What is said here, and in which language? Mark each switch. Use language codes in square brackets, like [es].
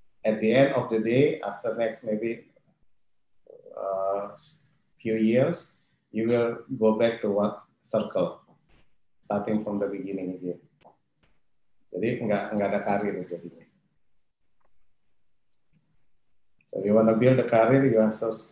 [en] At the end of the day, after next maybe few years, you will go back to what circle, starting from the beginning again. [id] Jadi nggak ada karir jadinya. [en] So you want to build a career, you have to